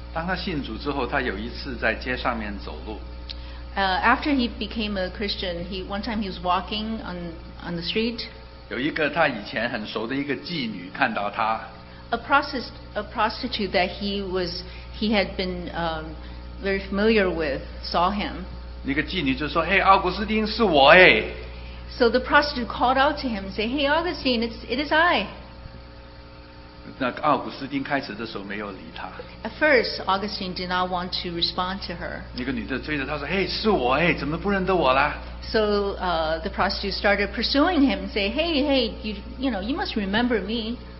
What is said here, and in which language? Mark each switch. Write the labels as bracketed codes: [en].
[zh] 当他信主之后，他有一次在街上面走路。 [en] After he became a Christian, one time he was walking on the street. [zh] 有一个他以前很熟的一个妓女看到他。 [en] A prostitute that he had been very familiar with saw him. [zh] 那个妓女就说：“嘿，奥古斯丁，是我哎。” [en] So the prostitute called out to him and said, "Hey, Augustine, it is I." [zh] 那奥古斯丁开始的时候没有理他。 [en] At first, Augustine did not want to respond to her. [zh] 那个女的追着他说：“嘿，是我哎，怎么不认得我啦？” [en] So the prostitute started pursuing him and said, "Hey, you must remember me."